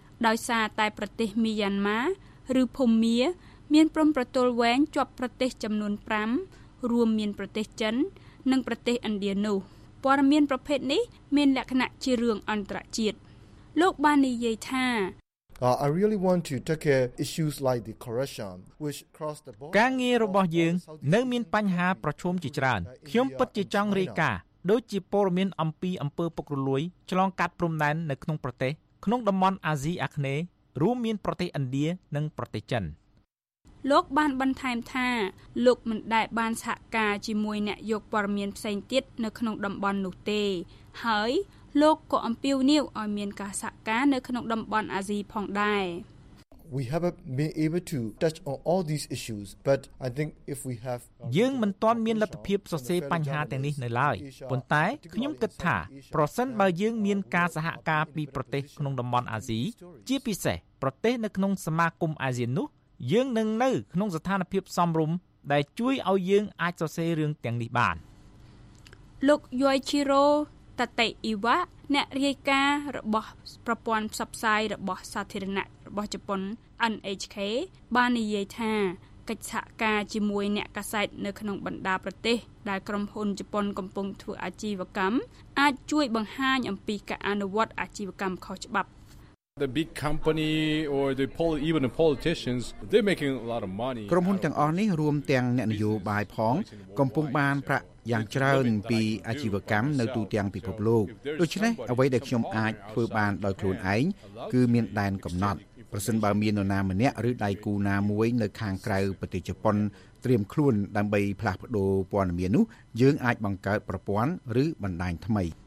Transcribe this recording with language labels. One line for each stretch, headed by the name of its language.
Khmer: ដោយសារតែប្រទេសមីយ៉ាន់ម៉ាឬភូមាមានព្រំប្រទល់វែងជាប់ប្រទេសចំនួន5រួមមានប្រទេសចិននិងប្រទេសឥណ្ឌានោះព័ត៌មានប្រភេទនេះមានលក្ខណៈជារឿងអន្តរជាតិលោកបាននិយាយថា
English: I really want to take issues like the corruption which cross the border
Khmer: ការងាររបស់យើងនៅមានបញ្ហាប្រឈមជាច្រើនខ្ញុំពិតជាចង់រាយការណ៍ដូចជាព័ត៌មានអំពីអំពើពុករលួយឆ្លងកាត់ព្រំដែននៅក្នុងប្រទេសក្នុងតំបន់អាស៊ីអាគ្នេយ៍រួមមានប្រទេសឥណ្ឌានិងប្រទេសចិន លោកបានបន្ថែមថាលោកមិនដែលបានសហការជាមួយអ្នកយកព័ត៌មានផ្សេងទៀតនៅក្នុងតំបន់នោះទេហើយលោកក៏អំពាវនាវឲ្យមានការសហការនៅក្នុងតំបន់អាស៊ីផងដែរ
English: We have been able to touch on all these issues but I think if we have
Khmer: យើងមិនទាន់មានលទ្ធភាពសរសេរបញ្ហាទាំងនេះនៅឡើយប៉ុន្តែខ្ញុំគិតថាប្រសិនបើយើងមានការសហការពីប្រទេសក្នុងតំបន់អាស៊ីជាពិសេសប្រទេសនៅក្នុងសមាគមអាស៊ាននោះយើងនឹងនៅក្នុងស្ថានភាពសមរម្យដែលជួយឲ្យយើងអាចសរសេររឿងទាំងនេះបាន លោកយូឈីរ៉ូតាតេអ៊ីវ៉ាអ្នករាយការណ៍របស់ប្រព័ន្ធផ្សព្វផ្សាយរបស់សាធារណៈរបស់ជប៉ុន NHK បាននិយាយថាកិច្ចសហការជាមួយអ្នកកាសែតនៅក្នុងបណ្ដាប្រទេសដែលក្រុមហ៊ុនជប៉ុនកំពុងធ្វើអាជីវកម្មអាចជួយបង្ហាញអំពីការអនុវត្តអាជីវកម្មខុសច្បាប់
English: The big company or the even the politicians they're making a lot of money
Khmer: ក្រុមហ៊ុនទាំងអស់នេះរួមទាំងអ្នកនយោបាយផងកំពុងបានប្រាក់ យ៉ាងច្រើនពីអាជីវកម្មនៅទូទាំងពិភពលោកដូច្នេះអ្វីដែលខ្ញុំអាចធ្វើបានដោយខ្លួនឯងគឺមានដែនកំណត់ប្រសិនបើមាននរណាម្នាក់ឬដៃគូណាមួយនៅខាងក្រៅប្រទេសជប៉ុនត្រៀមខ្លួនដើម្បីផ្លាស់ប្ដូរព័ត៌មាននោះយើងអាចបង្កើតប្រព័ន្ធឬបណ្ដាញថ្មី